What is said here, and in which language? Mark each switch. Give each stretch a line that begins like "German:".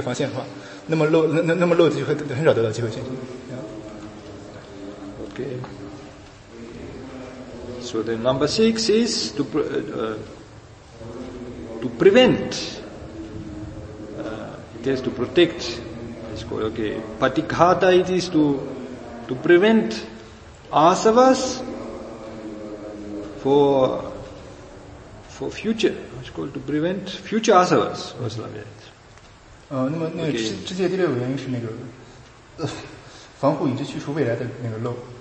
Chinese: 它就随时有可能在你的那个一从那个在你的意识里边现行。他说佛陀的有一些戒条制定，就是为了防止这种漏的现行。因为如果有一些行为你不去有意识的阻止它的话，那么你就会给这个漏很多机会让它现行。但是如果你提前已经设置了这样的一个方向的话，那么漏就会很少得到机会现行。
English: So then number six is to prevent, it has to protect, it's called, okay, patikhata, it is to prevent asavas for future, it's called to prevent future asavas, what's that?
Chinese: 那么那个之界第六个原因是那个防护以及去除未来的那个漏。